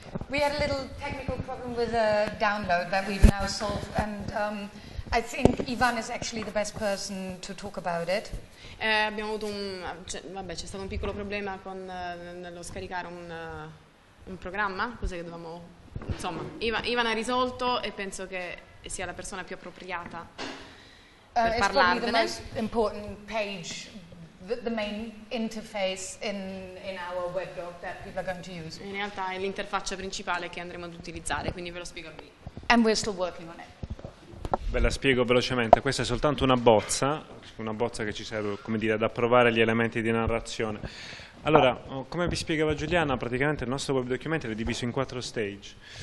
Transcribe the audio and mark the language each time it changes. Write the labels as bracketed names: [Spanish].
[English] We had a little technical problem with a download that we've now solved, and I think Ivan is actually the best person to talk about it. [Italian] Abbiamo avuto un, vabbè, c'è stato un piccolo problema con nello scaricare un programma, cosa che dovevamo, insomma, Ivan ha risolto e penso che sia la persona più appropriata per parlarne. [English] The most important page, the main interface in our webdoc that people are going to use. [Italian] In realtà è l'interfaccia principale che andremo ad utilizzare, quindi ve lo spiego qui. [English] And we're still working on it. [Italian] Ve la spiego velocemente, questa è soltanto una bozza che ci serve, come dire, ad approvare gli elementi di narrazione. Allora, come vi spiegava Giuliana, praticamente il nostro web document è diviso in quattro stage.